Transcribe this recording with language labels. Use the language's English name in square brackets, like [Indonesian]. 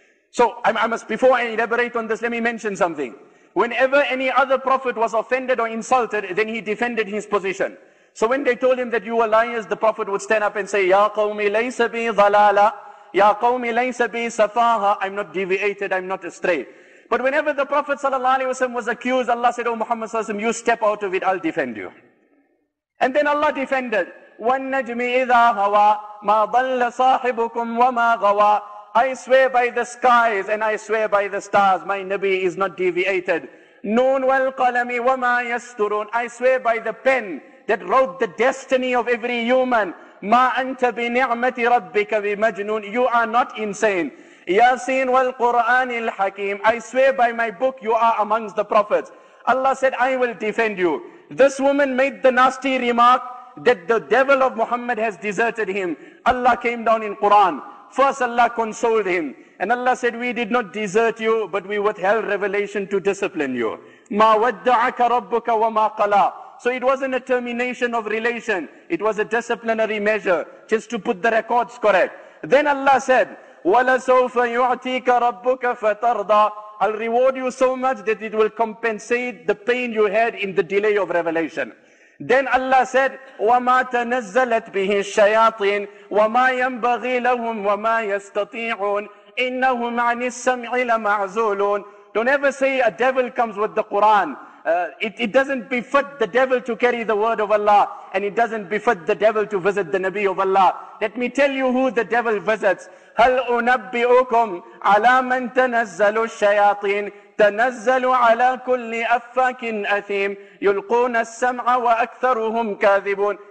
[English] So before I elaborate on this, let me mention something. Whenever any other prophet was offended or insulted, then he defended his position. So when they told him that you are liars, the prophet would stand up and say, [Arabic] Ya qawmi laysa bi dhalala, Ya qawmi laysa bi safaha, [English] I'm not deviated, I'm not astray. But whenever the Prophet sallallahu alaihi wasallam was accused, Allah said, "O Muhammad sallallahu alaihi wasallam, you step out of it, I'll defend you." And then Allah defended, [Arabic] "وَالنَّجْمِ إِذَا هَوَى مَا ضَلَّ صَاحِبُكُمْ وَمَا غَوَى." [English] I swear by the skies and I swear by the stars, my Nabi is not deviated. [Arabic] "Noon وَالْقَلَمِ وَمَا يَسْتُرُونَ." [English] I swear by the pen that wrote the destiny of every human, [Arabic] "مَا أَنْتَ بِنِعْمَةِ رَبِّكَ بِمَجْنُونَ." [English] You are not insane. [Arabic] Yasin wal Quran al Hakim. [English] I swear by my book, you are amongst the prophets. Allah said, I will defend you. This woman made the nasty remark that the devil of Muhammad has deserted him. Allah came down in Quran. First, Allah consoled him. And Allah said, we did not desert you, but we withheld revelation to discipline you. [Arabic] مَا وَدَّعَكَ رَبُّكَ وَمَا قَلَىٰ. [English] So it wasn't a termination of relation. It was a disciplinary measure, just to put the records correct. Then Allah said, [Arabic] وَلَسَوْفَ يُعْتِيكَ رَبُّكَ فَتَرْضَىٰ. [English] I'll reward you so much that it will compensate the pain you had in the delay of revelation. Then Allah said, [Arabic] وَمَا تَنَزَّلَتْ بِهِ الشَّيَاطِينَ وَمَا يَنْبَغِي لَهُمْ وَمَا يَسْتَطِيعُونَ إِنَّهُمْ عَنِ السَّمْعِ لَمَعْزُولُونَ. [English] Don't ever say a devil comes with the Quran. It doesn't befit the devil to carry the word of Allah, and it doesn't befit the devil to visit the Nabi of Allah. Let me tell you who the devil visits. [Arabic] هَلْ أُنَبِّئُكُمْ عَلَى مَنْ تَنَزَّلُ الشَّيَاطِينَ تَنَزَّلُ عَلَى كُلِّ أَفَّاكٍ أَثِيمٍ يُلْقُونَ السَّمْعَ وَأَكْثَرُهُمْ كَاذِبُونَ.